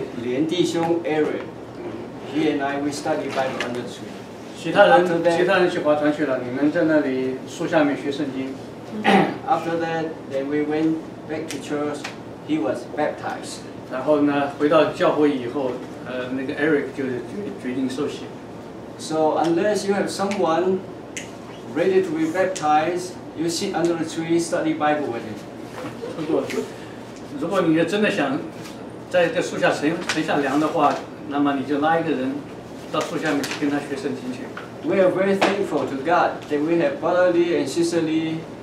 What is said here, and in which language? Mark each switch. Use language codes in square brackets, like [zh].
[zh] 连弟兄 [en] Eric, he and I, we study Bible under the tree. [zh] 其他人去划船去了，你们在那里树下面学圣经。 [en] After that, then we went back to church. He was baptized. [zh] 然后呢，回到教会以后，那个 Eric 就决定受洗。 [en] So unless you have someone ready to be baptized, you sit under the tree, study Bible with him. [zh] 如果你真的想在这树下乘凉的话，那么你就拉一个人到树下面去跟他学圣经去。 [en] We are very thankful to God that we have Brother Lee and Sister Lee.